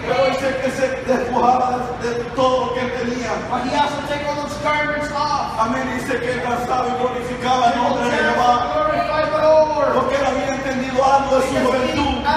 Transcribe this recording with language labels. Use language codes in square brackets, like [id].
[es] Pero dice que se despojaba de todo lo que tenía. [en] But he has to take all those garments off. [es] Amén. Dice que cansaba y glorificaba el nombre de Jehová. [en] Glorify the Lord. [es] Porque él había entendido algo de su juventud.